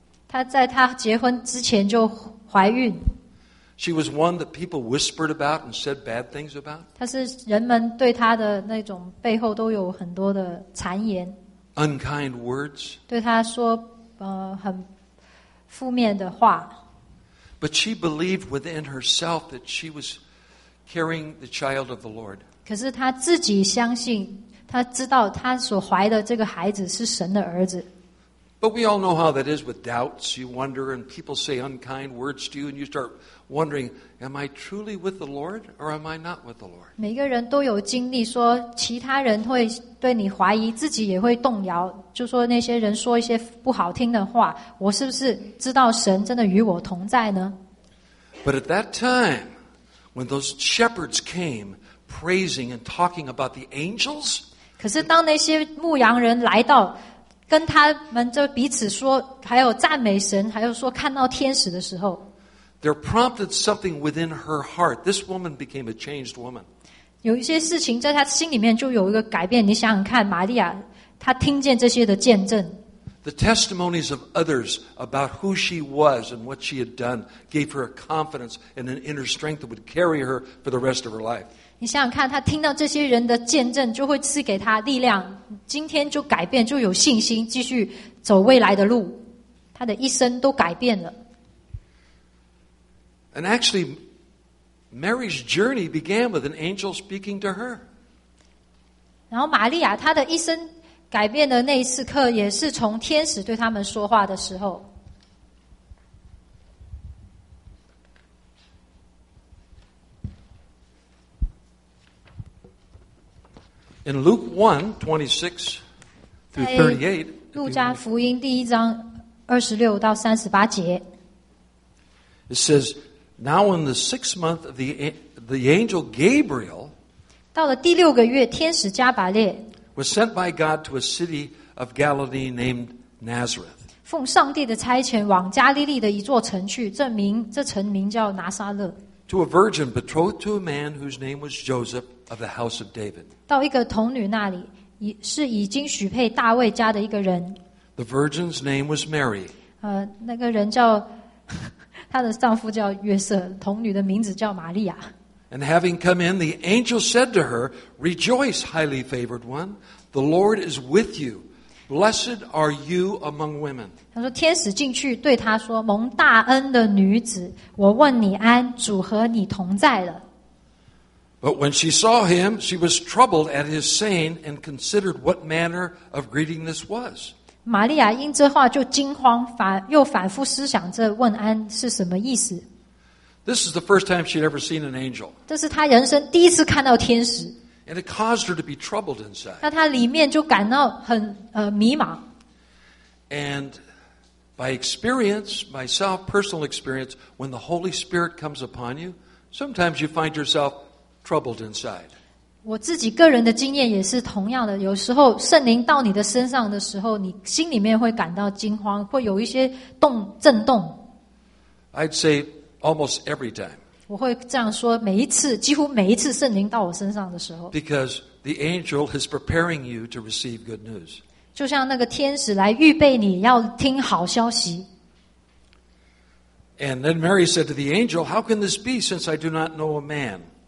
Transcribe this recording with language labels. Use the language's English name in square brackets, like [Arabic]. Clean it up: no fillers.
[Chinese] 她在她结婚之前就怀孕。 [English] She was one that people whispered about and said bad things about. [Chinese] 她是人们对她的那种背后都有很多的谗言。 [English] Unkind words. [Chinese] 对她说很负面的话。 [English] But she believed within herself that she was carrying the child of the Lord. [Chinese] 可是她自己相信，她知道她所怀的这个孩子是神的儿子。 [English] But we all know how that is with doubts. You wonder, and people say unkind words to you, and you start wondering, am I truly with the Lord, or am I not with the Lord? [Chinese] 每个人都有经历说，其他人会对你怀疑，自己也会动摇，就说那些人说一些不好听的话，我是不是知道神真的与我同在呢？ [English] But at that time, when those shepherds came praising and talking about the angels, [Chinese] 可是当那些牧羊人来到跟他们就彼此说，还有赞美神，还有说看到天使的时候 [English] ，They're prompted something within her heart. This woman became a changed woman. [Chinese] 有一些事情在她心里面就有一个改变。你想想看，玛利亚，她听见这些的见证 [English] ，The testimonies of others about who she was and what she had done gave her a confidence and an inner strength that would carry her for the rest of her life. [Chinese] 你想想看，他听到这些人的见证，就会赐给他力量。今天就改变，就有信心继续走未来的路。他的一生都改变了。 [English] And actually, Mary's journey began with an angel speaking to her. [Chinese] 然后玛利亚她的一生改变的那一时刻，也是从天使对他们说话的时候。 [English] In Luke 1:26 through 38, [Chinese] 路加福音第一章26到38节 [English] it says, "Now in the sixth month of the angel Gabriel, [Chinese] 到了第六个月，天使加百列 [English] was sent by God to a city of Galilee named Nazareth. [Chinese] 奉上帝的差遣往加利利的一座城去，这城名叫拿撒勒 [English] to a virgin betrothed to a man whose name was Joseph. Of the house of David. [Chinese] 到一个童女那里，是已经许配大卫家的一个人。 [English] The virgin's name was Mary. [Chinese] 那个人叫，她的丈夫叫约瑟，童女的名字叫玛利亚。 [English] And having come in, the angel said to her, "Rejoice, highly favored one! The Lord is with you. Blessed are you among women." [Chinese] 他说，天使进去对她说，蒙大恩的女子，我问你安，主和你同在了。 [English] But when she saw him, she was troubled at his saying and considered what manner of greeting this was. [Chinese] 玛利亚因这话就惊慌，又反复思想这问安是什么意思。 [English] This is the first time she'd ever seen an angel. [Chinese] 这是她人生第一次看到天使。 [English] And it caused her to be troubled inside. [Chinese] 那她里面就感到很迷茫。 [English] And by experience, myself, personal experience, when the Holy Spirit comes upon you, sometimes you find yourself... Troubled inside. [Chinese] 我自己个人的经验也是同样的。有时候圣灵到你的身上的时候，你心里面会感到惊慌，会有一些震动。 [English] I'd say almost every time. [Chinese] 我会这样说，每一次，几乎每一次圣灵到我身上的时候。 [English] Because the angel is preparing you to receive good news. [Chinese] 就像那个天使来预备你要听好消息。 [English] And then Mary said to the angel, "How can this be, since I do not know a man?"